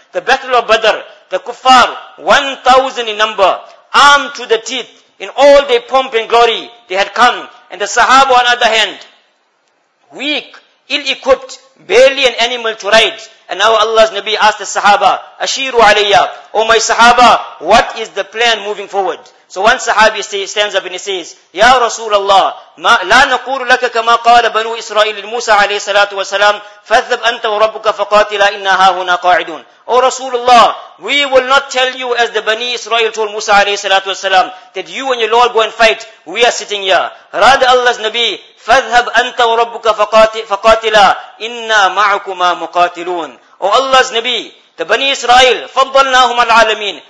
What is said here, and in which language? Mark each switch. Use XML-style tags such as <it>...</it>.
<en>The Battle of Badr, the Kuffar, 1,000 in number, armed to the teeth, in all their pomp and glory, they had come. And the Sahaba, on the other hand, weak, ill-equipped, barely an animal to ride. And now Allah's Nabi asked the Sahaba,</en> <ar>Ashiru alayya,</ar> <en>O my Sahaba, what is the plan moving forward? So one Sahabi stands up and he says, Ya Rasulallah,</en> <ar>ما لا نقول لك كما قال بنو إسرائيل لموسى عليه الصلاة والسلام فاذهب أنت وربك فقاتلا إنا هاهنا قاعدون.</ar> <en>O Rasulullah, we will not tell you as the Bani Israel told Musa alayhi salatu wasalam, that you and your Lord go and fight, we are sitting here. Rather Allah's Nabi,</en> <ar>فَذْهَبْ أَنْتَ وَرَبُّكَ فَقَاتِلَا إِنَّا مَعُكُمَا مُقَاتِلُونَ.</ar> <en>O Allah's Nabi, the Bani Israel,</en> <ar>فَضَّلْنَاهُمْ عَلْعَالَمِينَ.</ar>